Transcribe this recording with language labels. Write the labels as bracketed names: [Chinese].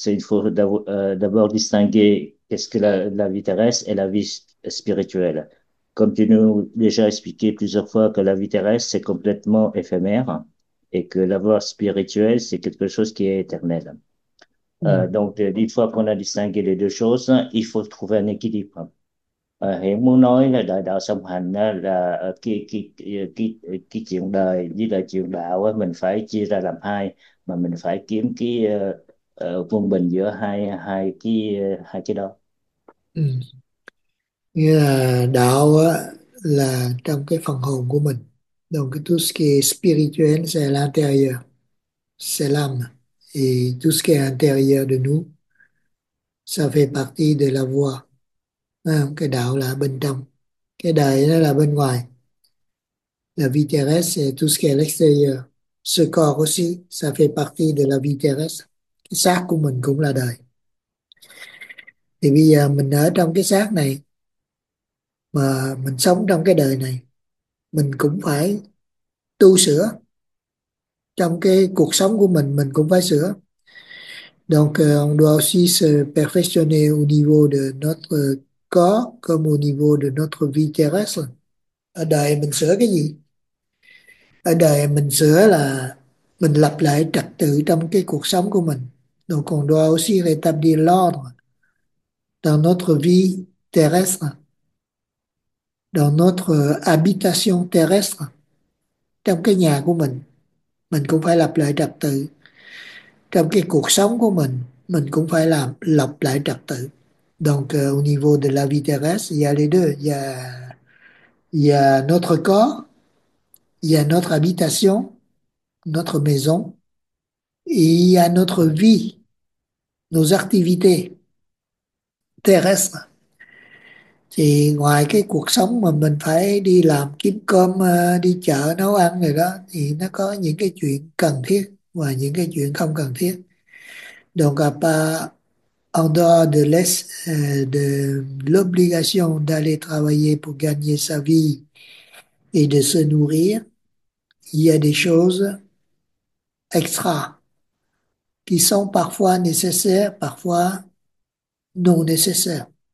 [French] Il faut d'abord distinguer qu'est-ce que la vie terrestre et la vie spirituelle. Comme tu nous as déjà expliqué plusieurs fois que la vie terrestre, c'est complètement éphémère et que la voie spirituelle, c'est quelque chose qui est éternel. Donc, une fois qu'on a distingué les deux choses, il faut trouver un équilibre. [Vietnamese] Et mon nói là đại đạo song hành là cái chuyện đời với là chuyện đạo ấy, mình phải chia ra làm hai, mà mình phải kiếm cái quân bình giữa hai hai cái đó. Nghĩa là đạo á, là trong cái phần hồn của mình, đồng cái tusk spirituel sẽ là anterior, sẽ làm thì [French] tout ce qui est intérieur de nous ça fait partie de la voie. [Vietnamese] Đấy không? Cái đạo là bên trong, cái đời nó là bên ngoài, [French] la vie terrestre c'est tout ce qui est l'extérieur, ce corps aussi ça fait partie de la vie terrestre, [Vietnamese] cái xác của mình cũng là đời. Thì bây giờ mình ở trong cái xác này mà mình sống trong cái đời này, mình cũng phải tu sửa trong cái cuộc sống của mình cũng phải sửa. [French] Donc on doit aussi se perfectionner au niveau de notre corps comme au niveau de notre vie terrestre. [Vietnamese] Ở đời mình sửa cái gì? Ở đời mình sửa là mình lập lại trật tự trong cái cuộc sống của mình. [French] Donc on doit aussi rétablir l'ordre dans notre vie terrestre, dans notre habitation terrestre, [Vietnamese] trong cái nhà của mình cũng phải lập lại trật tự. Trong cái cuộc sống của mình cũng phải làm lập lại trật tự. [French] Donc au niveau de la vie terrestre, il y a les deux, il y a notre corps, il y a notre habitation, notre maison, et il y a notre vie, nos activités terrestres. [Vietnamese] Thì ngoài cái cuộc sống mà mình phải đi làm kiếm cơm, đi chợ nấu ăn rồi đó, thì nó có những cái chuyện cần thiết và những cái chuyện không cần thiết. [French] Donc à, en dehors de l'obligation d'aller travailler pour gagner sa vie et de se nourrir, il y a des choses extra qui sont parfois nécessaires, parfois non nécessaires.